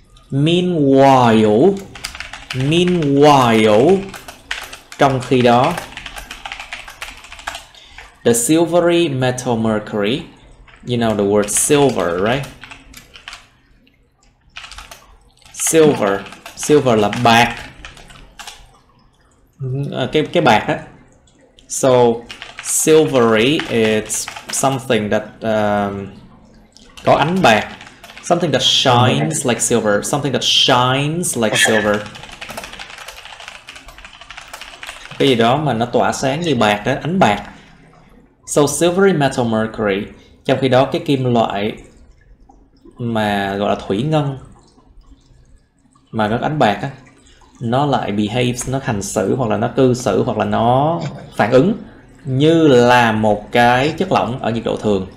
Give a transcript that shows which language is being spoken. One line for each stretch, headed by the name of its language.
English: Meanwhile,
Vietnamese: trong khi đó,
English: the silvery metal mercury, you know the word silver, right?
Vietnamese: Silver, silver là bạc, cái bạc á.
English: So silvery is something that
Vietnamese: có ánh bạc,
English: something that shines like silver, something that shines like silver.
Vietnamese: Cái gì đó mà nó tỏa sáng như bạc đó, ánh bạc.
English: So silvery metal mercury,
Vietnamese: trong khi đó cái kim loại mà gọi là thủy ngân mà nó ánh bạc á, nó lại behaves, nó hành xử hoặc là nó cư xử hoặc là nó phản ứng như là một cái chất lỏng ở nhiệt độ thường.